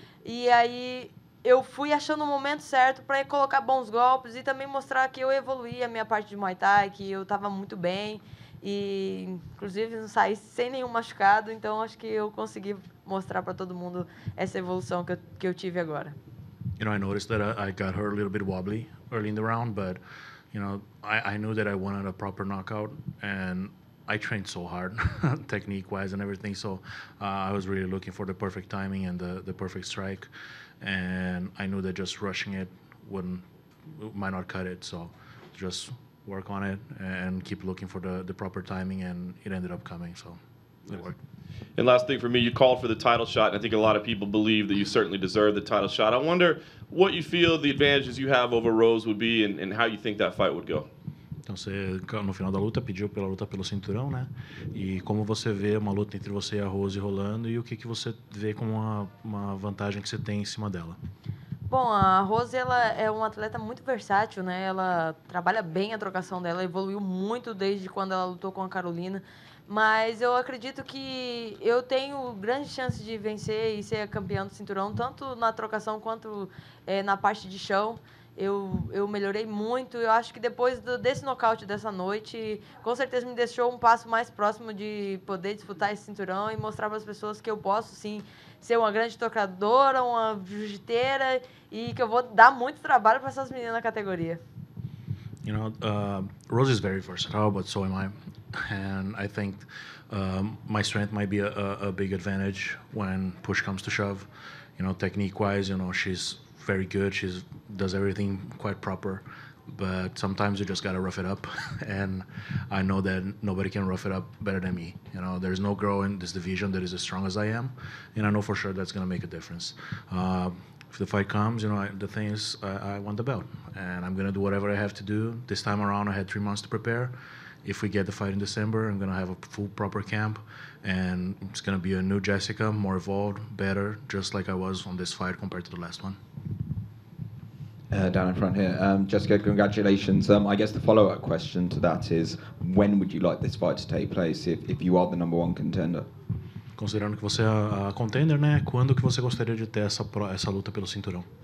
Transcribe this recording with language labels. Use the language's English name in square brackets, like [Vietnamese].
[Portuguese] E aí eu fui achando o momento certo para colocar bons golpes e também mostrar que eu evoluí a minha parte de Muay Thai, que eu estava muito bem. E, inclusive, não saí sem nenhum machucado, então acho que eu consegui mostrar para todo mundo essa evolução que eu tive agora. [English] You know, I noticed that I got her a little bit wobbly early in the round, but, you know, I knew that I wanted a proper knockout, and I trained so hard, technique-wise and everything, so I was really looking for the perfect timing and the perfect strike, and I knew that just rushing it might not cut it, so just work on it and keep looking for the proper timing, and it ended up coming, so it worked. And last thing for me, you called for the title shot, and I think a lot of people believe that you certainly deserve the title shot. I wonder what you feel the advantages you have over Rose would be and how you think that fight would go. [Portuguese] Então, você, no final da luta, pediu pela luta pelo cinturão, né? E como você vê uma luta entre você e a Rose rolando, e o que você vê como uma vantagem que você tem em cima dela? Bom, a Rose, ela é uma atleta muito versátil, né? Ela trabalha bem a trocação dela, evoluiu muito desde quando ela lutou com a Carolina. Mas eu acredito que eu tenho grande chance de vencer e ser a campeã do cinturão, tanto na trocação quanto na parte de chão. Eu melhorei muito. Eu acho que depois desse nocaute dessa noite, com certeza me deixou um passo mais próximo de poder disputar esse cinturão e mostrar para as pessoas que eu posso, sim, ser uma grande trocadora, uma jiu-jiteira e que eu vou dar muito trabalho para essas meninas na categoria. [English] You know, Rose is very versatile, but so am I. And I think my strength might be a big advantage when push comes to shove. You know, technique-wise, you know, she's very good. She does everything quite proper. But sometimes you just got to rough it up. And I know that nobody can rough it up better than me. You know, there's no girl in this division that is as strong as I am. And I know for sure that's going to make a difference. If the fight comes, you know, the thing is, I want the belt. And I'm going to do whatever I have to do. This time around, I had 3 months to prepare. If we get the fight in December, I'm going to have a full proper camp. And it's going to be a new Jessica, more evolved, better, just like I was on this fight compared to the last one. Down in front here. Jessica, congratulations. I guess the follow-up question to that is, when would you like this fight to take place if you are the number one contender? [Portuguese] Considerando que você é a contender, né? Quando que você gostaria de ter essa luta pelo cinturão?